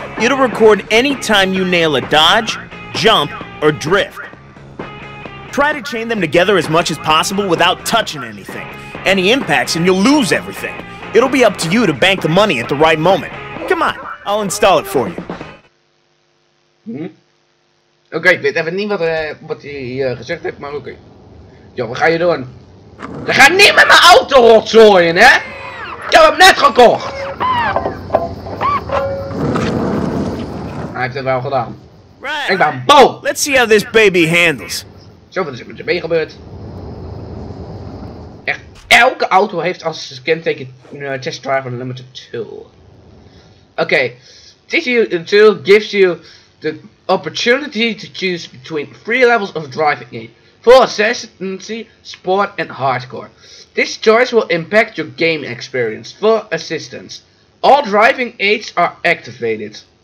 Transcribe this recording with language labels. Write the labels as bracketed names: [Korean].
[English] It'll record any time you nail a dodge, jump, or drift. Try to chain them together as much as possible without touching anything. Any impacts and you'll lose everything. It'll be up to you to bank the money at the right moment. Come on, I'll install it for you. [Dutch] Oké, ik weet even niet wat hij gezegd heeft, maar oké. Ja, we gaan je doen. Je gaat niet met mijn auto rotzooien, hè? Ik heb hem net gekocht. Hij heeft het wel gedaan. [English] Right. [Dutch] Ik ben boom. [English] Let's see how this baby handles. [Dutch] Zo, wat is er met je been gebeurd? Echt, elke auto heeft als kenteken Test Driver Limited 2. [English] Oké, Test Driver 2 gives you the opportunity to choose between 3 levels of driving game. Full assistance, sport and hardcore. This choice will impact your game experience. Full assistance. All driving aids are activated.